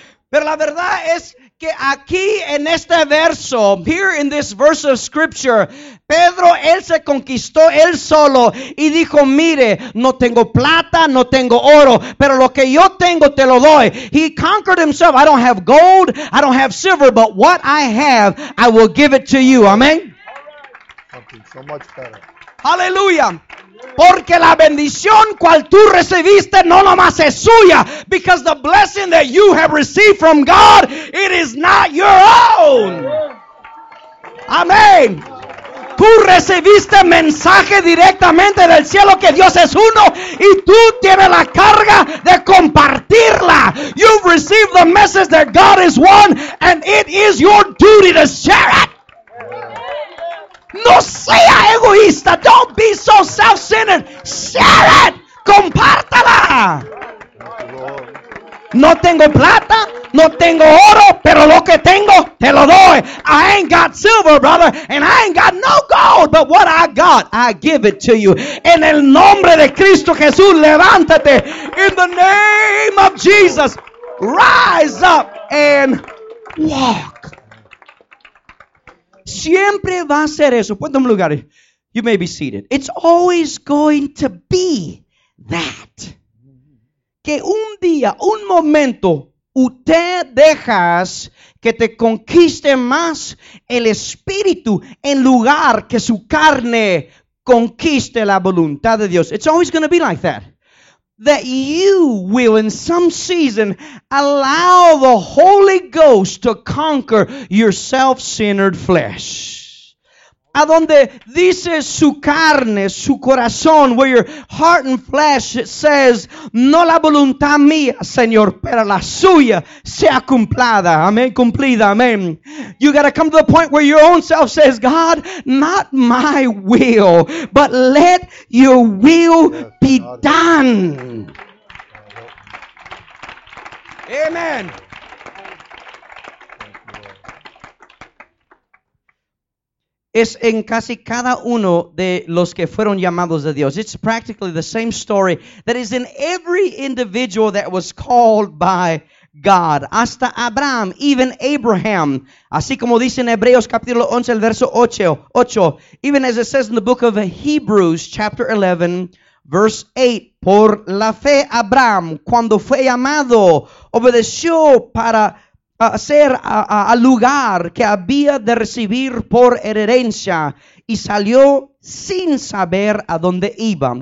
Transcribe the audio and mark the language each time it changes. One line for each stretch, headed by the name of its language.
Spanish: Pero la verdad es que aquí en este verso,
English: here in this verse of scripture,
Spanish: Pedro, él se conquistó él solo y dijo, mire, no tengo plata, no tengo oro, pero lo que yo tengo te lo doy.
English: He conquered himself. I don't have gold, I don't have silver, but what I have, I will give it to you. Amen. Something so much better. Hallelujah.
Spanish: Porque la bendición cual tú recibiste no nomás es suya.
English: Because the blessing that you have received from God, it is not your own.
Spanish: Amén. Tú recibiste mensaje directamente del cielo que Dios es uno. Y tú tienes la carga de compartirla.
English: You've received the message that God is one. And it is your duty to share it.
Spanish: No sea egoísta.
English: Don't be so self-centered. Share it.
Spanish: Compártala. No tengo plata. No tengo oro. Pero lo que tengo, te lo doy.
English: I ain't got silver, brother. And I ain't got no gold. But what I got, I give it to you.
Spanish: En el nombre de Cristo Jesús, levántate.
English: In the name of Jesus, rise up and walk.
Spanish: Siempre va a ser eso.
English: Put them in lugares. You may be seated. It's always going to be that.
Spanish: Que un día, un momento, usted dejas que te conquiste más el espíritu en lugar que su carne conquiste la voluntad de Dios.
English: It's always going to be like that. That you will in some season allow the Holy Ghost to conquer your self-centered flesh.
Spanish: A donde dice su carne, su corazón,
English: where your heart and flesh says,
Spanish: no la voluntad mía, Señor, pero la suya sea cumplida. Amén, cumplida, amén.
English: You got to come to the point where your own self says, God, not my will, but let your will be done. Amen.
Spanish: Es en casi cada uno de los que fueron llamados de Dios.
English: It's practically the same story that is in every individual that was called by God.
Spanish: Hasta Abraham,
English: even Abraham.
Spanish: Así como dice en Hebreos capítulo 11, el verso 8.
English: Even as it says in the book of Hebrews, chapter 11, verse 8.
Spanish: Por la fe Abraham, cuando fue llamado, obedeció para hacer al lugar que había de recibir por herencia y salió sin saber a dónde iba.